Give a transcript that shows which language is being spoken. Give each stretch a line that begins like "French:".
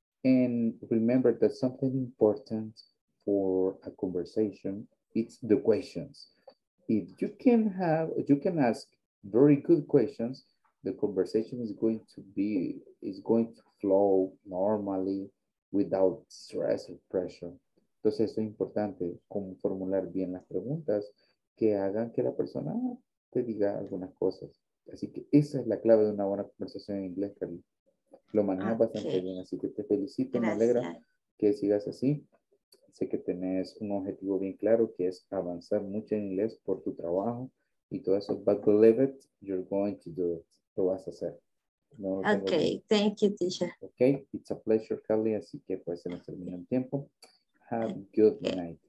English: And remember that something important for a conversation, it's the questions. If you can have, you can ask very good questions, the conversation is going to flow normally without stress or pressure.
Spanish: Entonces, es importante cómo formular bien las preguntas que hagan que la persona te diga algunas cosas. Así que esa es la clave de una buena conversación en inglés, Carly. Lo manejas okay. Bastante bien, así que te felicito. Gracias. Me alegra que sigas así. Sé que tenés un objetivo bien claro, que es avanzar mucho en inglés por tu trabajo y todo eso.
English: But believe it, you're going to do it.
Spanish: Lo vas a hacer.
English: No, ok, thank you, teacher. Ok, it's a pleasure, Kelly.
Spanish: Así que pues se nos termina el tiempo.
English: Have a good night.